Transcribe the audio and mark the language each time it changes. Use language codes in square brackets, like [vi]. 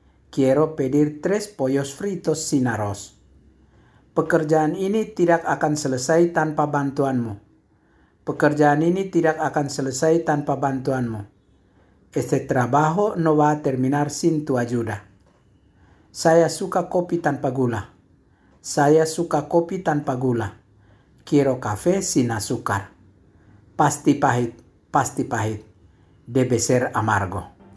[es] Quiero pedir 3 pollos fritos sin arroz. [id] Pekerjaan ini tidak akan selesai tanpa bantuanmu. Pekerjaan ini tidak akan selesai tanpa bantuanmu. [es] Este trabajo no va a terminar sin tu ayuda. [id] Saya suka kopi tanpa gula. Saya suka kopi tanpa gula. [es] Quiero café sin azúcar. [id] Pasti pahit, pasti pahit. [es] Debe ser amargo.